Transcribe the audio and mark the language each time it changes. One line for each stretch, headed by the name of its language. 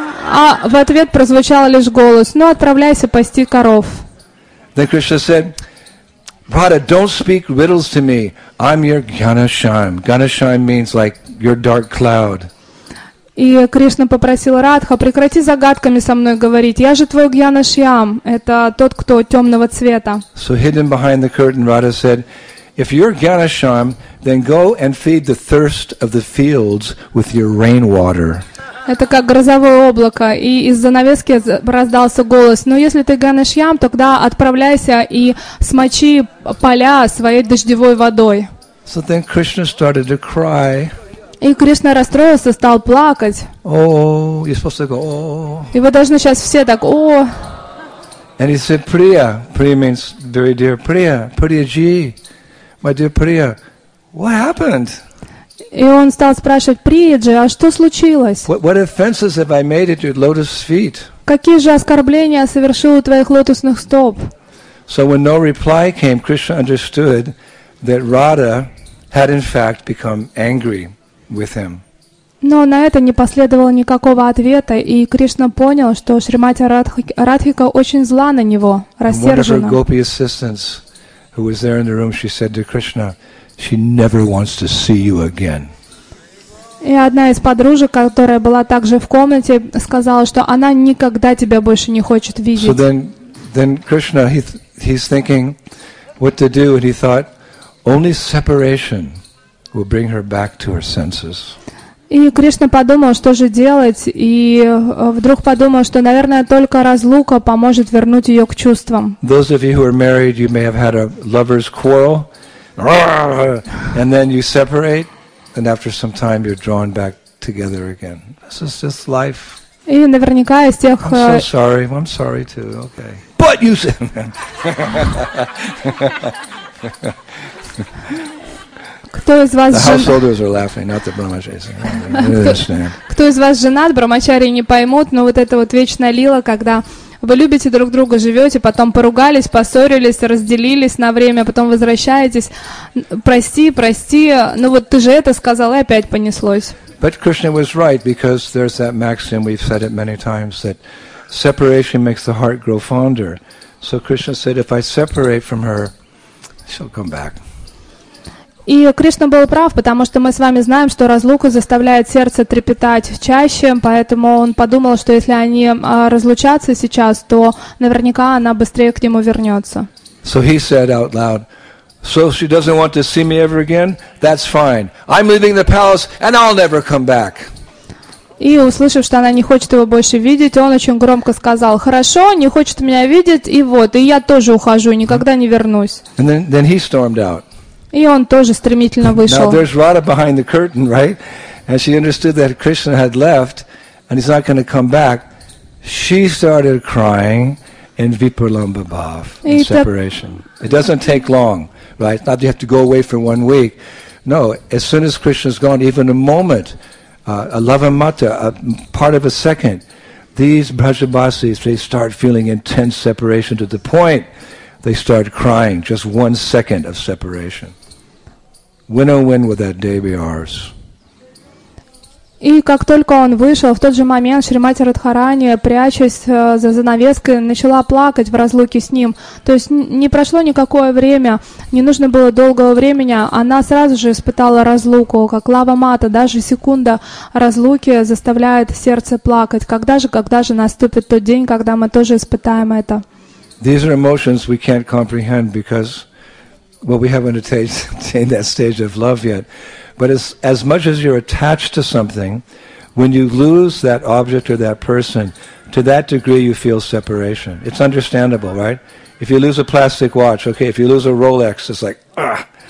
Russian: А в ответ прозвучал лишь голос: ну отправляйся пасти коров.
English: Then Krishna said, Radha, don't speak riddles to me. I'm your Ghanashyam. Ghanashyam means like your dark cloud.
Russian: И Кришна попросил Радха: прекрати загадками со мной говорить. Я же твой Ghanashyam. Это тот, кто темного цвета.
English: So hidden behind the curtain, Radha said, if you're Ghanashyam, then go and feed the thirst of the fields with your rainwater.
Russian: Это как грозовое облако, и из занавески раздался голос: но если ты Ганешьям, тогда отправляйся и смочи поля своей дождевой водой.
English: So then Krishna started to cry.
Russian: И Кришна расстроился, стал плакать.
English: Oh, you're supposed to go, oh.
Russian: И вы должны сейчас все так: о.
English: And he said, Priya. Priya means very dear. Priya, Priya G, my dear Priya, what happened?
Russian: И он стал спрашивать: Прияджи, а что случилось?
English: What offenses have I made at your lotus feet?
Russian: Какие же оскорбления я совершил у твоих лотосных стоп?
English: So when no reply came, Krishna understood that Radha had in fact become angry with him.
Russian: Но на это не последовало никакого ответа, и Кришна понял, что Шримати Радхика очень зла на него, рассержена.
English: One of her gopi assistants, who was there in the room, she said to Krishna, she never wants to see you again.
Russian: И одна из подружек, которая была также в комнате, сказала, что она никогда тебя больше не хочет видеть.
English: So then Krishna, he's thinking what to do, and he thought only separation will bring her back to her senses.
Russian: И Кришна подумал, что же делать, и вдруг подумал, что, наверное, только разлука поможет вернуть ее к чувствам.
English: Those of you who are married, you may have had a lover's quarrel. And then you separate, and after some time you're drawn back together again. This is just life.
Russian: И наверняка из тех.
English: I'm so sorry. I'm sorry too. Okay. But you said.
Russian: Кто из вас женат?
English: The householders are laughing, not the brahmacharis. I understand.
Russian: Кто из вас женат, брахмачарии не поймут, но вот это вот вечная лила, когда вы любите друг друга, живете, потом поругались, поссорились, разделились на время, потом возвращаетесь. Прости, прости, ну вот ты же это сказал, и опять понеслось.
English: But Krishna was right, because there's that maxim, we've said it many times, that separation makes the heart grow fonder. So Krishna said, if I separate from her, she'll come back.
Russian: И Кришна был прав, потому что мы с вами знаем, что разлука заставляет сердце трепетать чаще, поэтому он подумал, что если они разлучатся сейчас, то наверняка она быстрее к нему вернется.
English: So he said out loud, so if she doesn't want to see me ever again, that's fine. I'm leaving the palace and I'll never come back.
Russian: И услышав, что она не хочет его больше видеть, он очень громко сказал: хорошо, не хочет меня видеть, и вот, и я тоже ухожу, никогда не вернусь.
English: And then he stormed out.
Russian: И он тоже стремительно вышел.
English: Now there's Radha behind the curtain, right? And she understood that Krishna had left and he's not going to come back. She started crying in Vipralamba Bhav, in separation. It doesn't take long, right? Not you have to go away for 1 week. No, as soon as Krishna's gone, even a moment, a lava mata, a part of a second, these Brajabasis, they start feeling intense separation to the point they start crying, just 1 second of separation. When oh when will that day be ours?
Russian: И как только он вышел, в тот же момент Шримати Радхарани, прячась за занавеской, начала плакать в разлуке с ним. То есть не прошло никакое время, не нужно было долгого времени, она сразу же испытала разлуку, как лава мата, даже секунда разлуки заставляет сердце плакать. Когда же наступит тот день, когда мы тоже испытаем это?
English: These are emotions we can't comprehend because, well, we haven't attained that stage of love yet. But as much as you're attached to something, When you lose that object or that person, to that degree you feel separation. It's understandable, right? If you lose a plastic watch, okay, if you lose a Rolex, it's like, ugh.